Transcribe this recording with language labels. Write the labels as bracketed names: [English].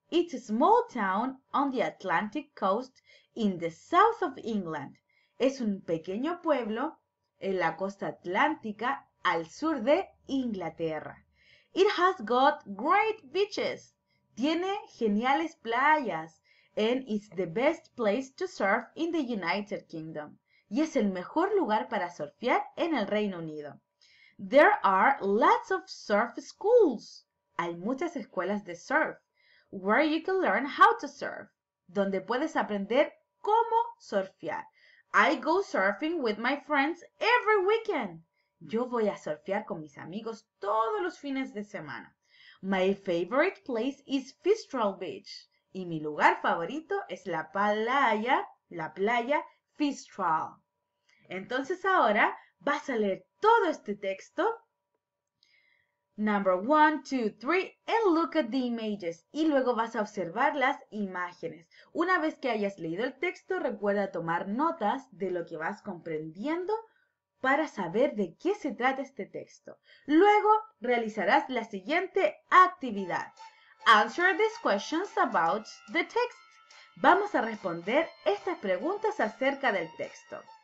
[English] It's a small town on the Atlantic coast in the south of England. [Spanish] Es un pequeño pueblo en la costa atlántica al sur de Inglaterra. [English] It has got great beaches. [Spanish] Tiene geniales playas. [English] And it's the best place to surf in the United Kingdom. [Spanish] Y es el mejor lugar para surfear en el Reino Unido. [English] There are lots of surf schools. [Spanish] Hay muchas escuelas de surf. [English] Where you can learn how to surf. [Spanish] Donde puedes aprender cómo surfear. [English] I go surfing with my friends every weekend. [Spanish] Yo voy a surfear con mis amigos todos los fines de semana. [English] My favorite place is Fistral Beach. [Spanish] Y mi lugar favorito es la playa Fistral. Entonces ahora vas a leer todo este texto [English] Number one, two, three, and look at the images. [Spanish] Y luego vas a observar las imágenes. Una vez que hayas leído el texto, recuerda tomar notas de lo que vas comprendiendo para saber de qué se trata este texto. Luego, realizarás la siguiente actividad. [English] Answer these questions about the text. [Spanish] Vamos a responder estas preguntas acerca del texto.